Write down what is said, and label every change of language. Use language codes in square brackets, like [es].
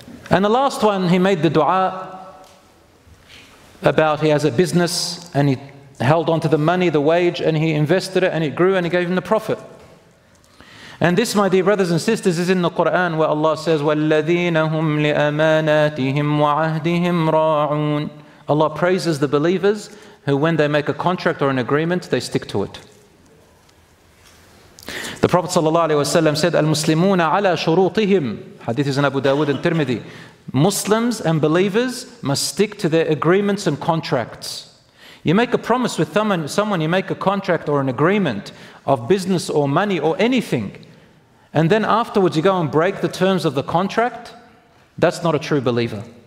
[en] And the last one, he made the dua about, he has a business and he held on to the money, the wage, and he invested it and it grew and he gave him the profit. And this, my dear brothers and sisters, is in the Quran where Allah says, [ar] وَالَّذِينَ هُمْ لِأَمَانَاتِهِمْ وَعَهْدِهِمْ رَاعُونَ. [en] Allah praises the believers who, when they make a contract or an agreement, they stick to it. The Prophet ﷺ said, [ar] الْمُسْلِمُونَ عَلَىٰ شُرُوطِهِمْ. [en] Hadith is in Abu Dawud and Tirmidhi. Muslims and believers must stick to their agreements and contracts. You make a promise with someone, you make a contract or an agreement of business or money or anything, and then afterwards you go and break the terms of the contract, that's not a true believer.